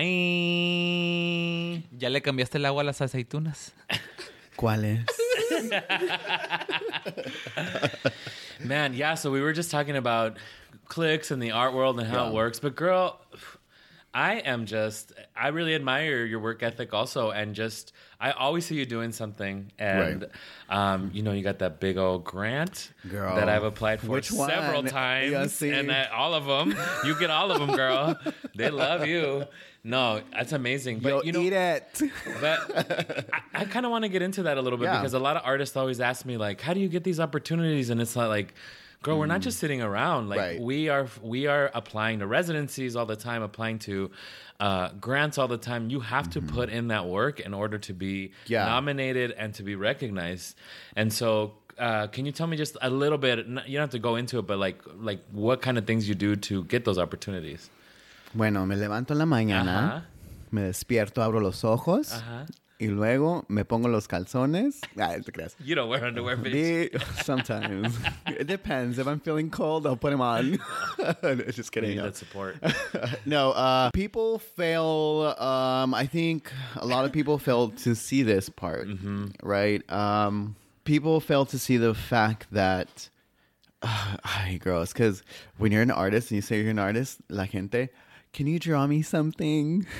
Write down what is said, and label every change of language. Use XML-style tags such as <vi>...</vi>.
<es>¿Ya le cambiaste el agua a las aceitunas? ¿Cuáles?</es> <en>Man, yeah, so we were just talking about clicks and the art world and how it works. But girl, I really admire your work ethic also. And just, I always see you doing something. And, you know, you got that big old grant that I've applied for several times. And that, all of them. You get all of them, girl. They love you. No, that's amazing. But, you know, eat it. But I kind of want to get into that a little bit because a lot of artists always ask me, like, how do you get these opportunities? And it's not like, girl, we're not just sitting around. Like, we are applying to residencies all the time, applying to grants all the time. You have to put in that work in order to be nominated and to be recognized. And so can you tell me just a little bit, you don't have to go into it, but like what kind of things you do to get those opportunities?</en> <es>Bueno, me levanto en la mañana, me despierto, abro los ojos, y luego me pongo los calzones. ¿Te crees?</es> <en>You don't wear underwear, bitch. Sometimes. It depends. If I'm feeling cold, I'll put them on. Just kidding. You need that support. No, people fail. I think a lot of people fail to see this part, right? People fail to see the fact that, gross, because when you're an artist and you say you're an artist,</en> <es>la gente,</es> <en>can you draw me something?</en>